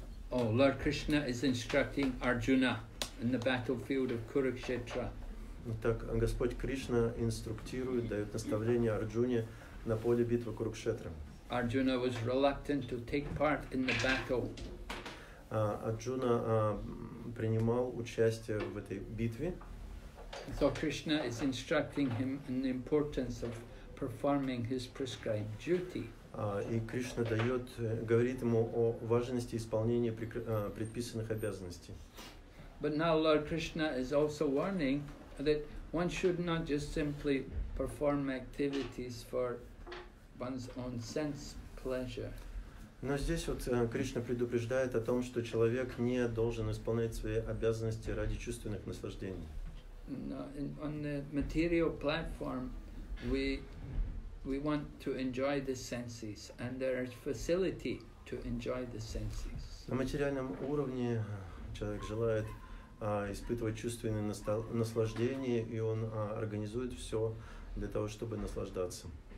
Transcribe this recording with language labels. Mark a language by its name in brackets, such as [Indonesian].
[English] Oh, Lord Krishna is instructing Arjuna in the battlefield of Kurukshetra. [Russian] Итак, Господь Кришна инструктирует, дает наставление Арджуне на поле битвы Курукшетра. [English] Arjuna was reluctant to take part in the battle. [Russian] Арджуна принимал участие в этой битве. [English] So Krishna is instructing him in the importance of performing his prescribed duty. [Russian] И Кришна дает, говорит ему о важности исполнения предписанных обязанностей. [English] But now Lord Krishna is also warning that one should not just simply perform activities for one's own sense pleasure. [Russian] Но здесь вот Кришна предупреждает о том, что человек не должен исполнять свои обязанности ради чувственных наслаждений. [English] No, on the material platform, we want to enjoy the senses, and there is facility to enjoy the senses. [Russian] На материальном уровне человек желает испытывать чувственные наслаждения, и он организует все для того, чтобы наслаждаться.